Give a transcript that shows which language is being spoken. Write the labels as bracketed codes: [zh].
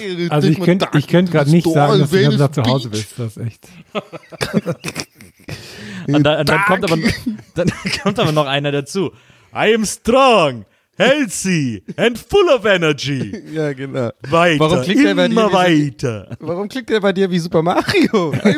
[de] Also ich könnte gerade nicht sagen, dass du hier da zu Hause bist. Das ist echt. Und dann kommt aber noch einer dazu. [en] I am strong, healthy and full of energy. [de] Ja, genau. Weiter, warum klickt immer der bei dir weiter. Warum klickt der bei dir wie Super Mario?